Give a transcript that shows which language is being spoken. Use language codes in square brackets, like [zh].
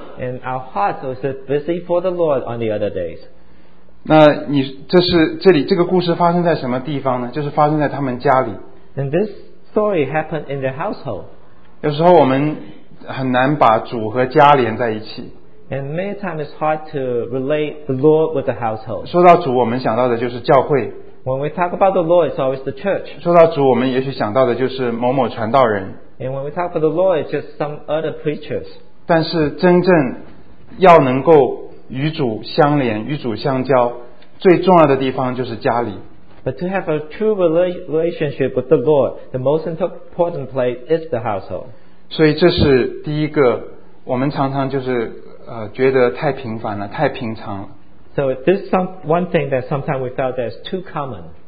[en] And our hearts are busy for the Lord on the other days. [zh] 那你这是这里这个故事发生在什么地方呢? 就是发生在他们家里。 [en] And this story happened in the household. [zh] 有时候我们很难把主和家连在一起。 [en] And many times it's hard to relate the Lord with the household. [zh] 说到主，我们想到的就是教会。 [en] When we talk about the Lord, it's always the church. [zh] 说到主，我们也许想到的就是某某传道人。 [en] And when we talk about the Lord, it's just some other preachers. [zh] 但是真正要能够与主相连、与主相交，最重要的地方就是家里。 [en] But to have a true relationship with the Lord, the most important place is the household. [zh] 所以这是第一个，我们常常就是。觉得太平凡了，太平常了。 [en] So this is one thing that sometimes we felt that is too common.